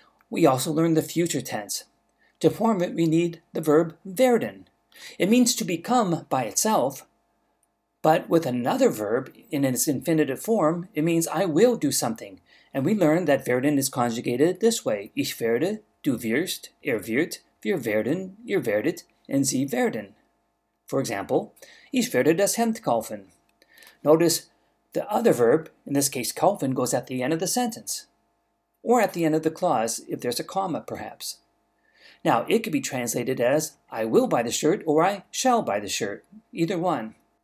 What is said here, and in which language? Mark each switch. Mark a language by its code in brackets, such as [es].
[en] We also learned the future tense. To form it, we need the verb werden. It means to become by itself, but with another verb in its infinitive form, it means I will do something. And we learn that werden is conjugated this way. [de] Ich werde, du wirst, wird, wir werden, ihr werdet, und sie werden. [en] For example, [de] ich werde das Hemd kaufen. [en] Notice the other verb, in this case kaufen, goes at the end of the sentence, or at the end of the clause, if there's a comma, perhaps. Now, it could be translated as, I will buy the shirt, or I shall buy the shirt, either one.